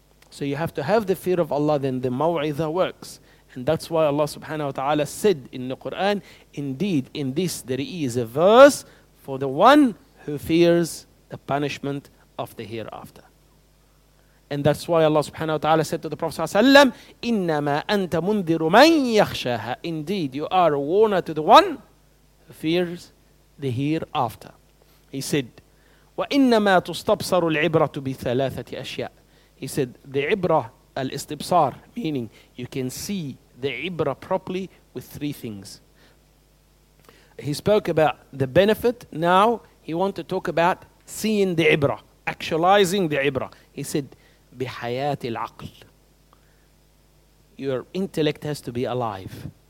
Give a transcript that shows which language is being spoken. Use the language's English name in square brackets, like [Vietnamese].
[English] So you have to have the fear of Allah, then the maw'izah works. And that's why Allah subhanahu wa ta'ala said in the Quran, indeed in this there is a verse for the one who fears the punishment of the hereafter. And that's why Allah subhanahu wa ta'ala said to the Prophet sallam, [Arabic] إِنَّمَا أَنْتَ مُنْذِرُ مَنْ يَخْشَهَا. [English] Indeed, you are a warner to the one who fears the hereafter. He said, [Arabic] وَإِنَّمَا تُسْتَبْصَرُ الْعِبْرَةُ بِثَلَاثَةِ أَشْيَاءِ. [English] He said, the ibrah al-istibsar, meaning you can see the ibrah properly with three things. He spoke about the benefit. Now he wanted to talk about seeing the ibrah, actualizing the ibrah. He said, [Arabic] بِحَيَاةِ الْعَقْلِ. [English] Your intellect has to be alive.